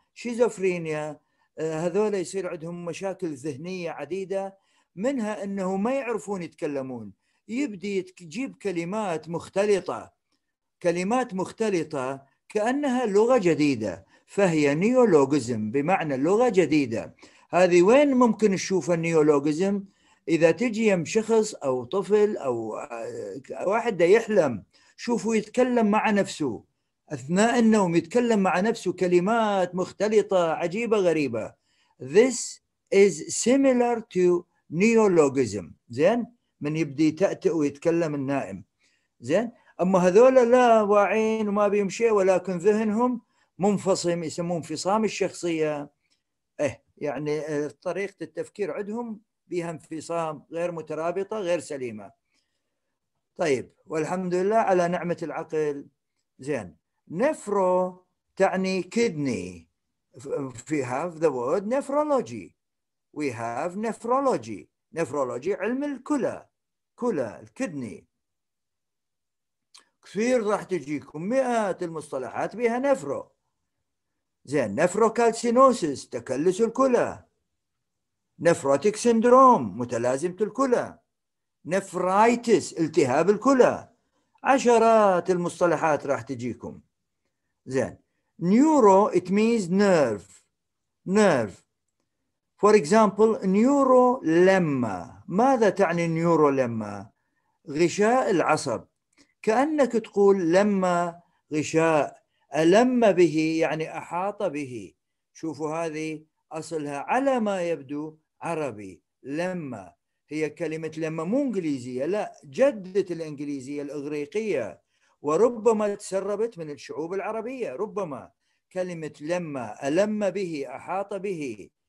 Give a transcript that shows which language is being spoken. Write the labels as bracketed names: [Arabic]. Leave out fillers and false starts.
[Arabic] شيزوفرينيا هذول يصير عندهم مشاكل ذهنية عديدة، منها أنه ما يعرفون يتكلمون، يبدي يجيب كلمات مختلطة، كلمات مختلطة كأنها لغة جديدة، فهي نيولوجزم بمعنى لغة جديدة. هذه وين ممكن نشوف النيولوجزم؟ إذا تجي يم شخص أو طفل أو واحد يحلم، شوفوا يتكلم مع نفسه أثناء النوم، يتكلم مع نفسه كلمات مختلطة عجيبة غريبة. [English] This is similar to neologism. [Arabic] زين، من يبدي تأتئ ويتكلم النائم. زين، أما هذول لا واعين وما بيمشي، ولكن ذهنهم منفصم، يسمون انفصام الشخصية. يعني طريقة التفكير عندهم بها انفصام، غير مترابطة، غير سليمة. طيب، والحمد لله على نعمة العقل. زين، نفرو تعني كيدني. [English] We have the word nephrology. We have nephrology. [Arabic] Nephrology علم الكلى، كلى الكيدني. كثير راح تجيكم مئات المصطلحات بها نفرو. زين، نفروكالسينوسيس تكلس الكلى، نفروتيك سيندروم متلازمة الكلى، نفرايتس التهاب الكلى، عشرات المصطلحات راح تجيكم. زين، نيورو [English] it means nerve. For example [Arabic] نيورو لما، ماذا تعني نيورو لما؟ غشاء العصب، كأنك تقول لما غشاء، ألم به يعني أحاط به. شوفوا هذه أصلها على ما يبدو عربي، لما هي كلمة لما مو إنجليزية، لا، جدت الإنجليزية الإغريقية وربما تسربت من الشعوب العربية، ربما كلمة لما، ألم به أحاط به.